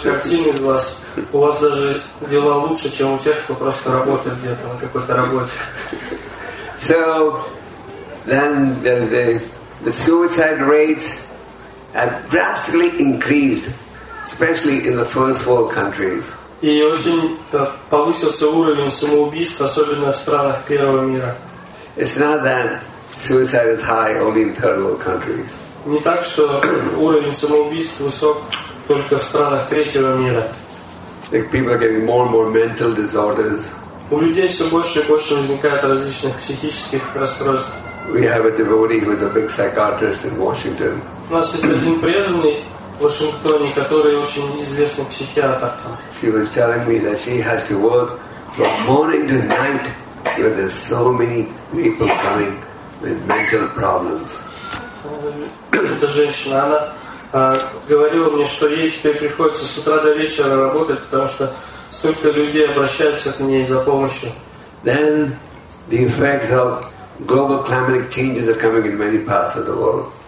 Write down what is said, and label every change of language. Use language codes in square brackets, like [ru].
[ru] картины из вас, у вас даже дела лучше, чем у тех, кто просто работает где-то на какой-то работе. [en] So, then the suicide rates have drastically increased, especially in the first world countries. [ru] И очень повысился уровень самоубийств, особенно в странах первого мира. [en] It's not that suicide is high only in third world countries. [ru] Не так, что уровень самоубийств высок только в странах третьего мира. [en] Like people are getting more and more mental disorders. [ru] У людей все больше и больше возникает различных психических расстройств. [en] We have a devotee who is a big psychiatrist in Washington. [ru] У нас есть один преданный в Вашингтоне, который очень известный психиатр там. [en] She was telling me that she has to work from morning to night. Because there's so many people coming with mental problems. [ru] Эта женщина, она говорила мне, что ей теперь приходится с утра до вечера работать, потому что столько людей обращаются к ней за помощью. [en] Then the effects of global climatic changes are coming in many parts of the world.